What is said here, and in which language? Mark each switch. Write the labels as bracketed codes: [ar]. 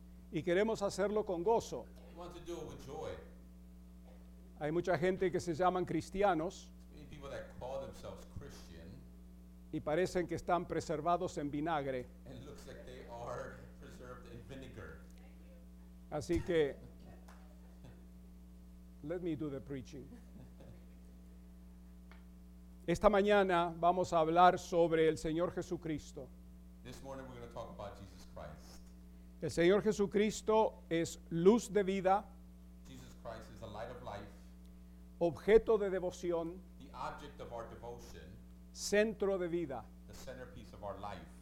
[es] Y queremos hacerlo con gozo. [en] We want to do it with joy. [es] Hay mucha gente que se llaman cristianos. [en] There's many people that call themselves Christian. [es] Y parecen que están preservados en vinagre. [en] And it looks like they are preserved in vinegar. [es] Así que, [en] let me do the preaching. [es] Esta mañana vamos a hablar sobre el Señor Jesucristo. [en] This morning we're going to talk about Jesus Christ. [es] El Señor Jesucristo es luz de vida. [en] Jesus Christ is the light of life. [es] Objeto de devoción. [en] The object of our devotion. [es] Centro de vida. [en] The centerpiece of our life.